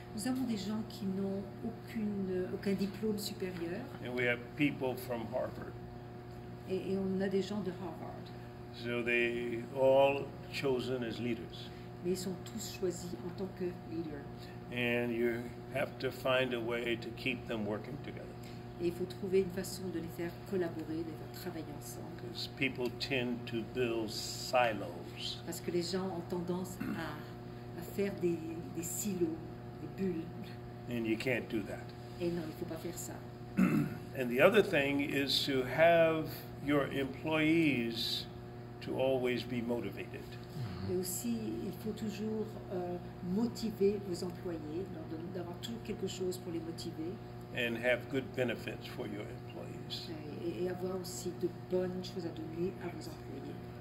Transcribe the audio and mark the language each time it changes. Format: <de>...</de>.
<fr>Nous avons des gens qui n'ont aucun diplôme supérieur.</fr> <en>And we have people from Harvard.</en> <fr>Et on a des gens de Harvard.</fr> <en>So they all chosen as leaders.</en> <fr>Mais ils sont tous choisis en tant que leaders.</fr> <en>And you have to find a way to keep them working together.</en> <fr>Et il faut trouver une façon de les faire collaborer, de les faire travailler ensemble.</fr> <en>Because people tend to build silos.</en> <fr>Parce que les gens ont tendance à faire des silos, des bulles.</fr> <en>And you can't do that.</en> <fr>Et non, il ne faut pas faire ça.</fr> <en>And the other thing is to have your employees to always be motivated.</en> <fr>Et aussi, il faut toujours motiver vos employés, d'avoir toujours quelque chose pour les motiver.</fr> <en>And have good benefits for your employees.</en> <fr>Et avoir aussi de bonnes choses à donner à vos employés.</fr>